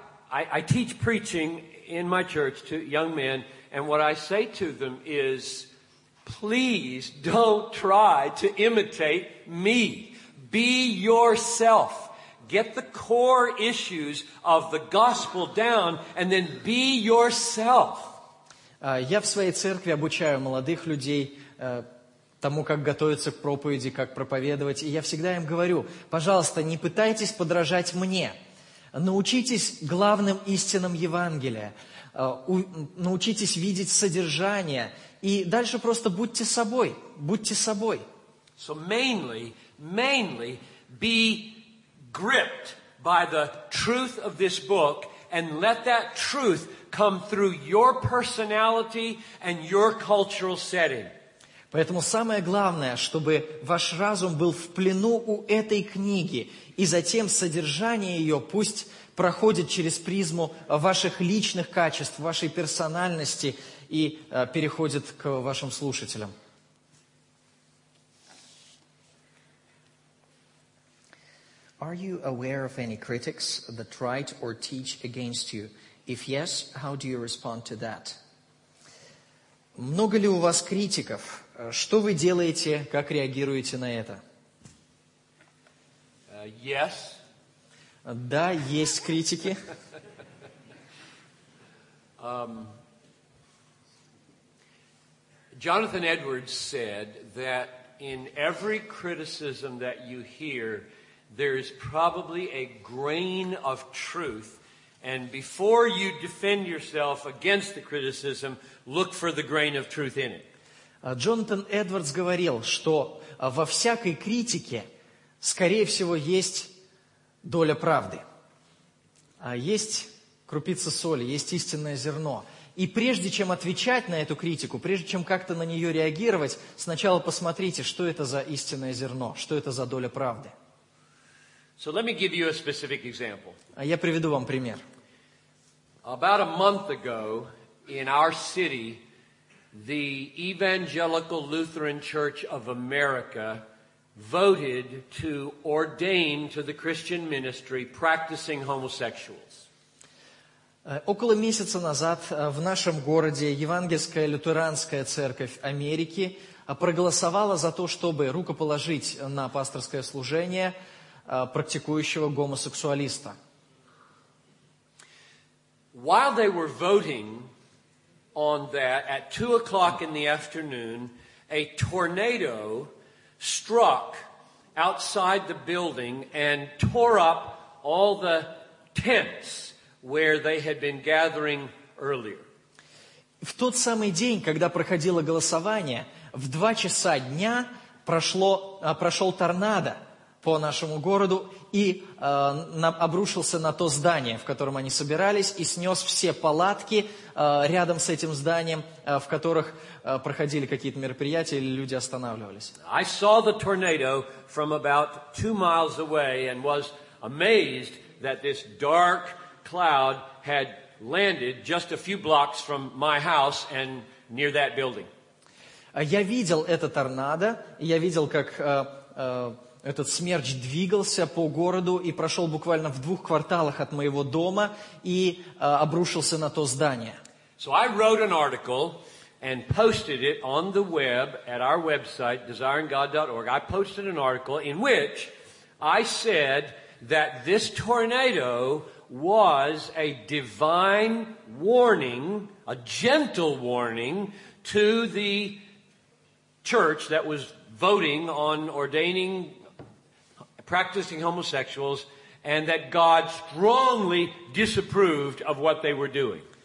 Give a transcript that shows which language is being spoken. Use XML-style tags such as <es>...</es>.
<en>I teach preaching in my church to young men, and what I say to them is, please don't try to imitate me. Be yourself. Get the core issues of the gospel down, and then be yourself.</en> <ru>Я в своей церкви обучаю молодых людей тому, как готовиться к проповеди, как проповедовать, и я всегда им говорю, пожалуйста, не пытайтесь подражать мне. Научитесь главным истинам Евангелия, научитесь видеть содержание, и дальше просто будьте собой, будьте собой.</ru> <en>So mainly be gripped by the truth of this book and let that truth come through your personality and your cultural setting.</en> <ru>Поэтому самое главное, чтобы ваш разум был в плену у этой книги, и затем содержание ее пусть проходит через призму ваших личных качеств, вашей персональности и переходит к вашим слушателям.</ru> <en>Are you aware of any critics that write or teach against you? If yes, how do you respond to that?</en> <ru>Много ли у вас критиков? Что вы делаете, как реагируете на это?</ru> <en>Yes.</en> <ru>Да, есть критики.</ru> <en>Jonathan Edwards said that in every criticism that you hear, there is probably a grain of truth, and before you defend yourself against the criticism, look for the grain of truth in it.</en> <ru>Джонатан Эдвардс говорил, что во всякой критике, скорее всего, есть доля правды. Есть крупица соли, есть истинное зерно. И прежде чем отвечать на эту критику, прежде чем как-то на нее реагировать, сначала посмотрите, что это за истинное зерно, что это за доля правды.</ru> <en>So let me give you a specific example.</en> <ru>Я приведу вам пример.</ru> <en>About a month ago in our city, the Evangelical Lutheran Church of America voted to ordain to the Christian ministry practicing homosexuals.</en> <ru>Около месяца назад в нашем городе Евангельская Лютеранская Церковь Америки проголосовала за то, чтобы рукоположить на пасторское служение практикующего гомосексуалиста.</ru> <en>While they were voting on that, at 2:00 in the afternoon, a tornado struck outside the building and tore up all the tents where they had been gathering earlier.</en> <ru>В тот самый день, когда проходило голосование, в 2:00 дня прошел торнадо по нашему городу и обрушился на то здание, в котором они собирались, и снес все палатки рядом с этим зданием, в которых проходили какие-то мероприятия или люди останавливались.</ru> <en>I saw the tornado from about 2 miles away and was amazed that this dark cloud had landed just a few blocks from my house and near that building.</en> <ru>Я видел это торнадо, я видел, как этот смерч двигался по городу и прошел буквально в 2 кварталах от моего дома и обрушился на то здание.</ru> <en>So I wrote an article and posted it on the web at our website, desiringgod.org. I posted an article in which I said that this tornado was a divine warning, a gentle warning to the church that was voting on ordaining practicing homosexuals and that God strongly disapproved of what they were doing.</en>